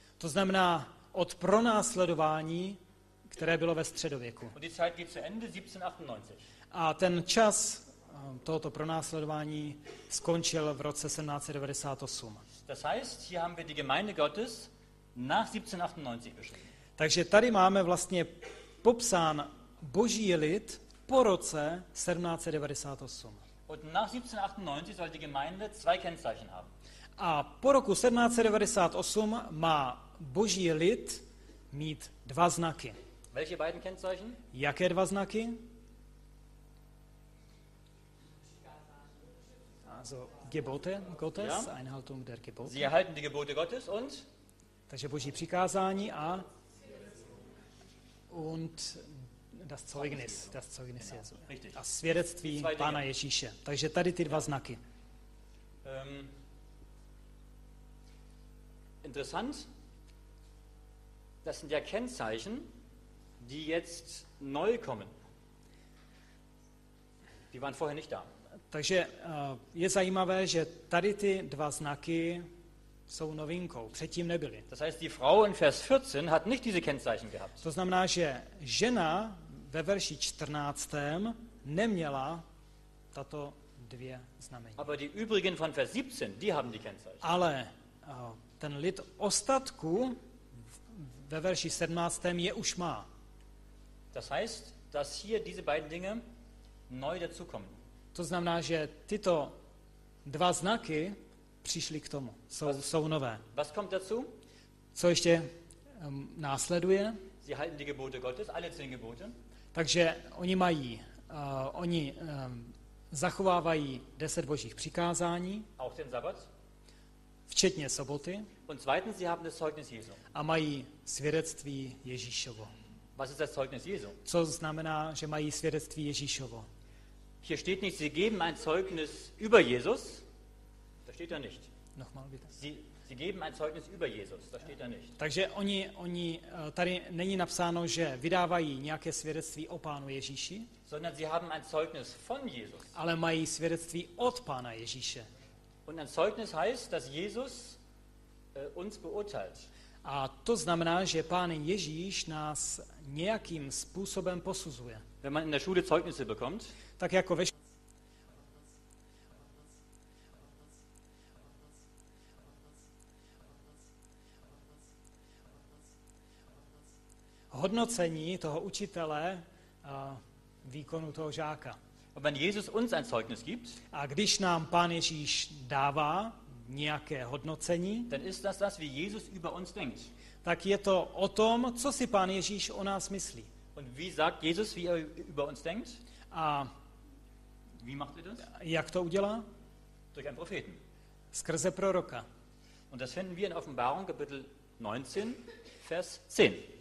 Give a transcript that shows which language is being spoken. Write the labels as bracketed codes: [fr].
[cs] To znamená od pronásledování, které bylo ve středověku. [de] Und die Zeit geht zu Ende 1798. [cs] A ten čas tohoto pronásledování skončil v roce 1798. [de] Das heißt, hier haben wir die Gemeinde Gottes nach 1798 beschrieben. [cs] Takže tady máme vlastně popsán boží lid po roce 1798. [de] Und nach 1798 soll die Gemeinde zwei Kennzeichen haben. [cs] A po roku 1798 má boží lid mít dva znaky. [de] Welche beiden Kennzeichen? [cs] Jaké dva znaky? [de] Also Gebote Gottes, ja. Einhaltung der Gebote. Sie erhalten die Gebote Gottes und? [cs] Takže boží přikázání a? [de] Und das Zeugnis, genau. Jesu. Richtig. [cs] A svědectví Pána Ježíše. Takže tady ty dva znaky. [de] Interessant. Das sind ja Kennzeichen, die jetzt neu kommen. Die waren vorher nicht da. [cs] Takže je zajímavé, že tady ty dva znaky jsou novinkou, předtím nebyly. [de] Das heißt, die Frau in Vers 14 hat nicht diese Kennzeichen gehabt. [cs] To znamená, že žena ve verši 14. neměla tato dvě znamení. [de] Aber die übrigen von Vers 17, die haben die Kennzeichen. [cs] Ale ten lid ostatku ve verši 17. je už má. [de] Das heißt, dass hier diese beiden Dinge neu dazu kommen. [cs] To znamená, že tyto dva znaky přišly k tomu. Jsou nové. [de] Was kommt dazu? [cs] Co ještě následuje? [de] Sie halten die Gebote Gottes, alle zehn Gebote. [cs] Takže oni mají, oni zachovávají 10 božích přikázání. [de] Auch den Sabbat. [cs] Včetně soboty. [de] Und zweitens, sie haben das Zeugnis Jesu. [cs] A mají svědectví Ježíšovo. [de] Was ist das Zeugnis Jesu? [cs] Co znamená, že mají svědectví Ježíšovo? [de] Hier steht nicht, sie geben ein Zeugnis über Jesus. Da steht ja nicht. Nochmal bitte. Sie geben ein Zeugnis über Jesus. Da steht ja nicht. [cs] Takže oni tady není napsáno, že vydávají nějaké svědectví o Pánu Ježíši. [de] Sondern sie haben ein Zeugnis von Jesus. [cs] Ale mají svědectví od Pána Ježíše. [de] Und ein Zeugnis heißt, dass Jesus uns beurteilt. [cs] A to znamená, že Pán Ježíš nás nějakým způsobem posuzuje. [de] Wenn man in der Schule Zeugnisse bekommt, [cs] tak jako ve hodnocení toho učitele výkonu toho žáka. [de] Und wenn Jesus uns ein Zeugnis gibt, [cs] a když nám Pán Ježíš dává nějaké hodnocení, [de] dann ist das das, wie Jesus über uns denkt. [cs] Tak je to o tom, co si Pán Ježíš o nás myslí. [de] Und wie sagt Jesus, wie über uns denkt? [cs] A [de] wie macht er das? [cs] Jak to udělá? [de] Durch einen Propheten. [cs] Skrze proroka. [de] Und das finden wir in Offenbarung Kapitel 19, Vers 10.